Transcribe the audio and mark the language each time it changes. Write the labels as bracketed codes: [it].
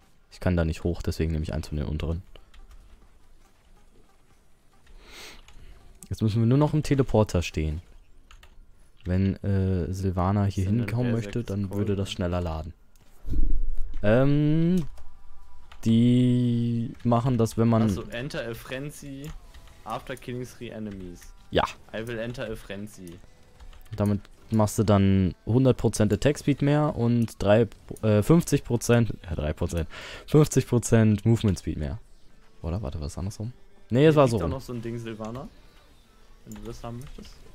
[de] Ich kann da nicht hoch, deswegen nehme ich eins von den unteren. Jetzt müssen wir nur noch im Teleporter stehen. Wenn Silvana hier hinkommen möchte, dann würde das schneller laden. Die machen das, wenn man... [en] Also, enter a frenzy after killing three enemies. [de] Ja. [en] I will enter a frenzy. [de] Damit machst du dann 100% Attack Speed mehr und 50% Movement Speed mehr. Oder? Warte, was ist andersrum? Nee, es war so. Ist da noch so ein Ding, Silvana? Wenn du das haben möchtest.